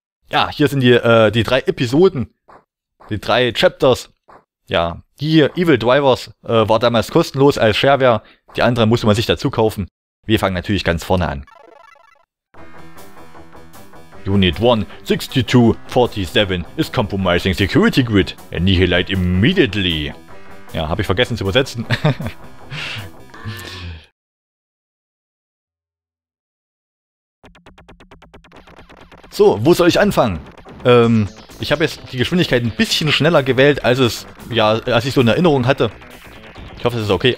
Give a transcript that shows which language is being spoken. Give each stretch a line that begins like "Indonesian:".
German: Ja, hier sind die drei Episoden, die drei Chapters. Ja, die Evil Divers war damals kostenlos als Shareware. Die anderen musste man sich dazu kaufen. Wir fangen natürlich ganz vorne an.
English: Unit 16247 is compromising security grid. Annihilate immediately.
German: Ja, habe ich vergessen zu übersetzen. So, wo soll ich anfangen? Ich habe jetzt die Geschwindigkeit ein bisschen schneller gewählt, als ich so eine Erinnerung hatte. Ich hoffe, es ist okay.